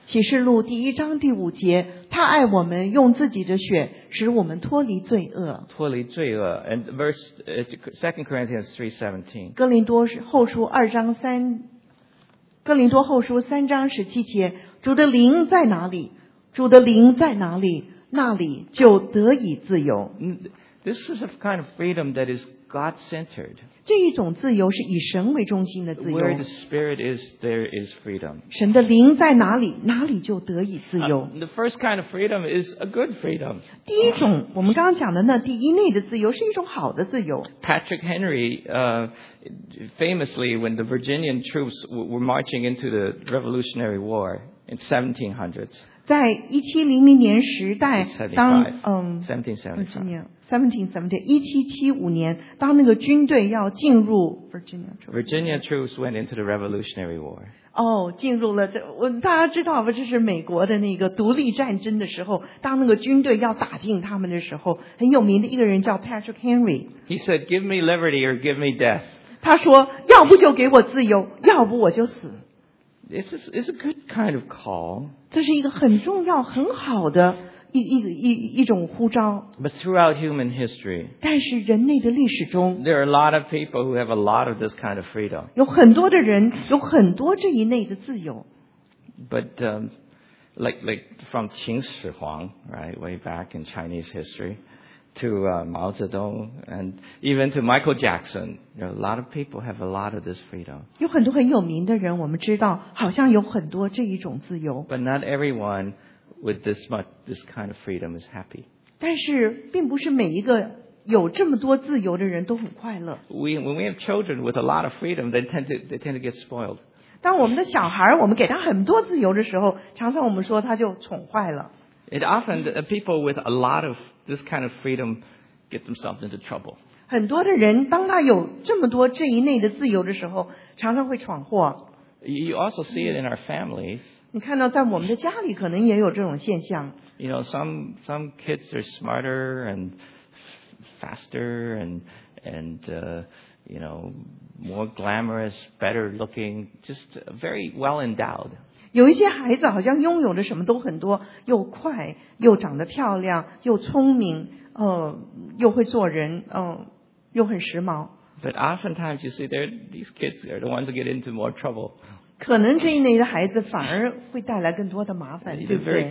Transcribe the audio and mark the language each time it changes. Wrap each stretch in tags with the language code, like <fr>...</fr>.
<zh>启示录第一章第五节，他爱我们，用自己的血使我们脱离罪恶。脱离罪恶。</zh> <en>And verse Second Corinthians 3:17.</en> <zh>哥林多后书二章三，哥林多后书三章十七节，主的灵在哪里？主的灵在哪里？那里就得以自由。</zh> <en>This is a kind of freedom that is God-centered.</en> <zh>这一种自由是以神为中心的自由。</zh> <en>Where the Spirit is, there is freedom.</en> <zh>神的灵在哪里，哪里就得以自由。</zh> <en>The first kind of freedom is a good freedom.</en> <zh>第一种，我们刚刚讲的那第一类的自由是一种好的自由。</zh> <en>Patrick Henry, famously, when the Virginian troops were marching into the Revolutionary War in 1700s.</en> <zh>在一七零零年时代，当1775年，当那个军队要进入</zh> <en>Virginia troops went into the Revolutionary War.</en> <zh>哦，进入了这，大家知道吧？这是美国的那个独立战争的时候，当那个军队要打进他们的时候，很有名的一个人叫 Patrick Henry.</zh> <en>He said, "Give me liberty or give me death."</en> <zh>他说，要不就给我自由，要不我就死。</zh> <en>It's a good kind of call.</en> <zh>这是一个很重要、很好的。一种呼召。</zh> <en>But throughout human history,</en> <zh>但是人类的历史中</zh> <en>there are a lot of people who have a lot of this kind of freedom.</en> <zh>有很多的人有很多这一类的自由。</zh> <en>But like from 秦始皇 right, way back in Chinese history, to Mao Zedong, and even to Michael Jackson, you know, a lot of people have a lot of this freedom.</en> <zh>有很多很有名的人，我们知道好像有很多这一种自由。</zh> <en>But not everyone. With this kind of freedom is happy.</en> <zh>但是并不是每一个有这么多自由的人都很快乐。</zh> <en>When we have children with a lot of freedom, they tend to get spoiled.</en> <zh>当我们的小孩我们给他很多自由的时候，常常我们说他就宠坏了。</zh> <en>It often people with a lot of this kind of freedom get themselves into trouble.</en> <zh>很多的人当他有这么多这一类的自由的时候常常会闯祸。</zh> <en>You also see it in our families.</en> <zh>你看到在我们的家里可能也有这种现象。</zh> <en>You know, some kids are smarter and faster and more glamorous, better looking, just very well endowed.</en> <zh>有一些孩子好像拥有的什么都很多，又快，又长得漂亮，又聪明，又会做人，又很时髦。</zh> <en>But oftentimes you see these kids are the ones who get into more trouble.</en> <zh>可能这一类的孩子反而会带来更多的麻烦，对不对？</zh>